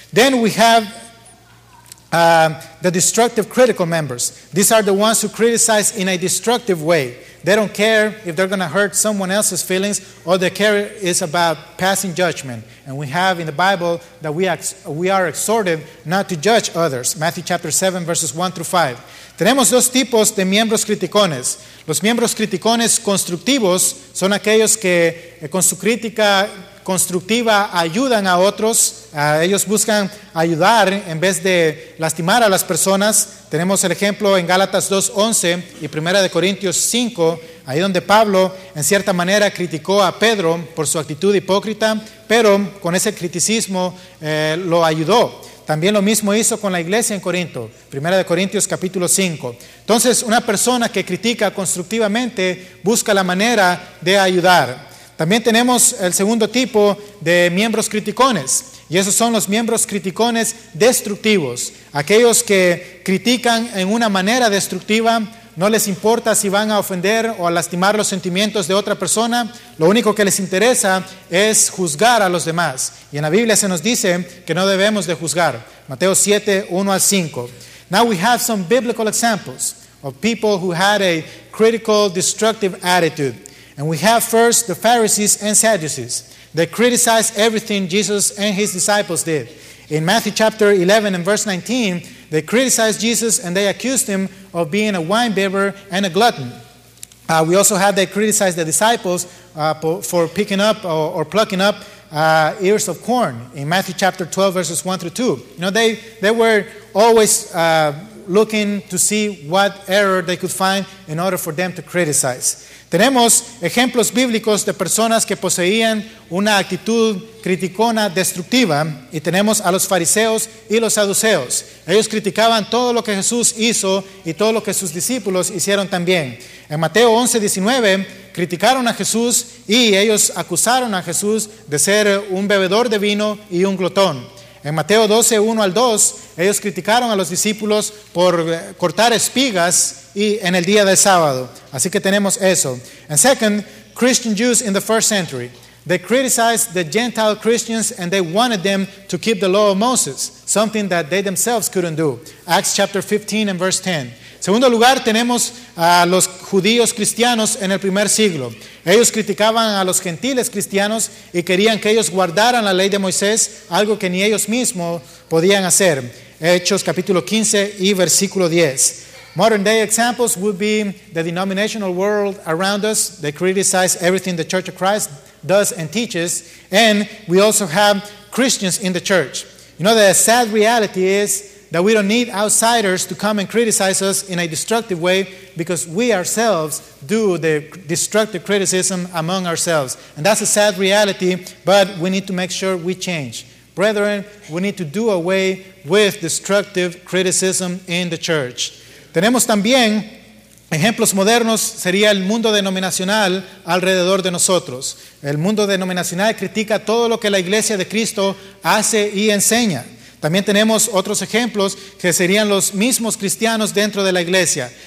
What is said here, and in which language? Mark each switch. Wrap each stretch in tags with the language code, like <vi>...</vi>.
<en>Then we have the destructive critical members. These are the ones who criticize in a destructive way. they don't care if they're going to hurt someone else's feelings. All they care is about passing judgment. And we have in the Bible that we are exhorted not to judge others. Matthew chapter 7, verses 1 through 5.</en> <es>Tenemos dos tipos de miembros criticones. Los miembros criticones constructivos son aquellos que con su crítica constructiva ayudan a otros. Ellos buscan ayudar en vez de lastimar a las personas. Tenemos el ejemplo en Gálatas 2:11 y 1 de Corintios 5, ahí donde Pablo en cierta manera criticó a Pedro por su actitud hipócrita, pero con ese criticismo lo ayudó. También lo mismo hizo con la iglesia en Corinto, 1 de Corintios capítulo 5. Entonces, una persona que critica constructivamente busca la manera de ayudar. También tenemos el segundo tipo de miembros criticones, y esos son los miembros criticones destructivos, aquellos que critican en una manera destructiva. No les importa si van a ofender o a lastimar los sentimientos de otra persona. Lo único que les interesa es juzgar a los demás. Y en la Biblia se nos dice que no debemos de juzgar. Mateo 7, 1 al 5.</es> <en>Now we have some biblical examples of people who had a critical, destructive attitude. And we have first the Pharisees and Sadducees. They criticized everything Jesus and his disciples did. In Matthew chapter 11 and verse 19, they criticized Jesus and they accused him of being a wine bibber and a glutton. We also had they criticized the disciples for picking up or plucking up ears of corn in Matthew chapter 12 verses 1 through 2. You know, they were always looking to see what error they could find in order for them to criticize.</en> <es>Tenemos ejemplos bíblicos de personas que poseían una actitud criticona destructiva, y tenemos a los fariseos y los saduceos. Ellos criticaban todo lo que Jesús hizo y todo lo que sus discípulos hicieron también. En Mateo 11:19 criticaron a Jesús y ellos acusaron a Jesús de ser un bebedor de vino y un glotón. En Mateo 12:1-2 ellos criticaron a los discípulos por cortar espigas y en el día del sábado. Así que tenemos eso.</es> <en>And second, Christian Jews in the first century. They criticized the Gentile Christians and they wanted them to keep the law of Moses, something that they themselves couldn't do. Acts chapter 15 and verse 10.</en> <es>Segundo lugar, tenemos a los judíos cristianos en el primer siglo. Ellos criticaban a los gentiles cristianos y querían que ellos guardaran la ley de Moisés, algo que ni ellos mismos podían hacer. Hechos capítulo 15 y versículo 10.</es> <en>Modern day examples would be the denominational world around us. They criticize everything the Church of Christ does and teaches. And we also have Christians in the church. You know, the sad reality is that we don't need outsiders to come and criticize us in a destructive way, because we ourselves do the destructive criticism among ourselves. And that's a sad reality, but we need to make sure we change. Brethren, we need to do away with destructive criticism in the church.</en> <es>Tenemos también ejemplos modernos, sería el mundo denominacional alrededor de nosotros. El mundo denominacional critica todo lo que la Iglesia de Cristo hace y enseña. También tenemos otros ejemplos que serían los mismos cristianos dentro de la iglesia.</es>